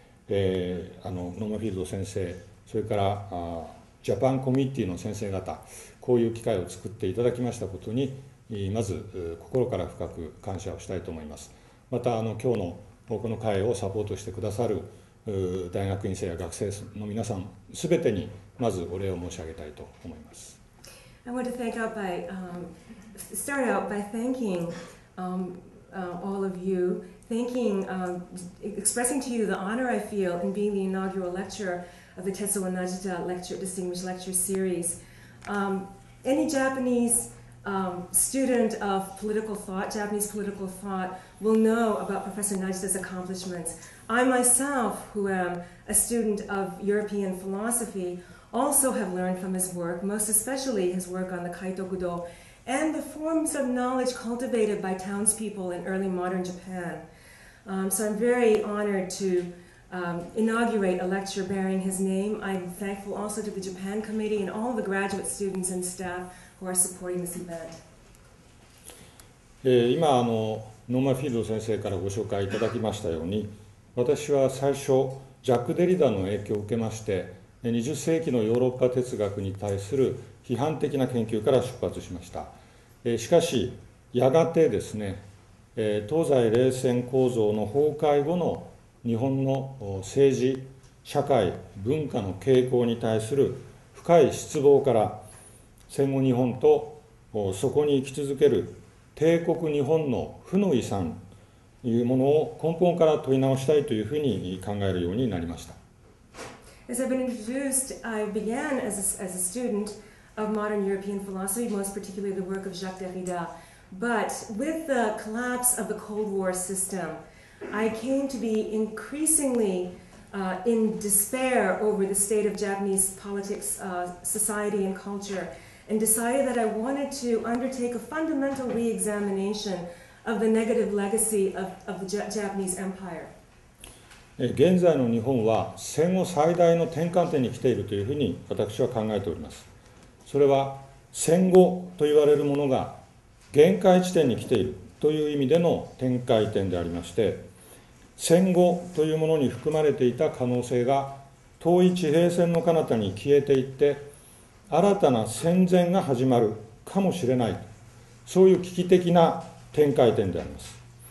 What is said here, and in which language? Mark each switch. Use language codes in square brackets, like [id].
[ja] ノーマフィールド先生それからジャパンコミッティの先生方こういう機会を作っていただきましたことにまず心から深く感謝をしたいと思います。また今日のこの会をサポートしてくださる大学院生や学生の皆さん、すべてにまずお礼を申し上げたいと思います。 [en] I want to thank out by, start out by thanking all of you, thanking, expressing to you the honor I feel in being the inaugural lecturer of the Tetsuo Najita Lecture, Distinguished Lecture Series. Any Japanese student of political thought, Japanese political thought, will know about Professor Najita's accomplishments. I myself, who am a student of European philosophy, also have learned from his work, most especially his work on the Kaitokudo and the forms of knowledge cultivated by townspeople in early modern Japan. So I'm very honored to inaugurate a lecture bearing his name. I'm thankful also to the Japan Committee and all the graduate students and staff who are supporting this event. [ja] 今ノーマフィールド先生からご紹介いただきましたように私は最初ジャック・デリダの影響を受けまして20世紀のヨーロッパ哲学に対する批判的な研究から出発しました。しかしやがてですね東西冷戦構造の崩壊後の日本の政治社会文化の傾向に対する深い失望から戦後日本とそこに生き続ける帝国日本の負の遺産というものを根本から問い直したいというふうに考えるようになりました。 [en] As I've been introduced, I began as a student of modern European philosophy, most particularly the work of Jacques Derrida. But with the collapse of the Cold War system, I came to be increasingly in despair over the state of Japanese politics, society and culture. And decided that I wanted to undertake a fundamental re-examination of the negative legacy of the Japanese Empire. [ja] 現在の日本は戦後最大の転換点に来ているというふうに私は考えております。それは戦後と言われるものが限界地点に来ているという意味での転換点でありまして、戦後というものに含まれていた可能性が遠い地平線の彼方に消えていって、新たな戦前が始まるかもしれない、そういう危機的な展開点であります。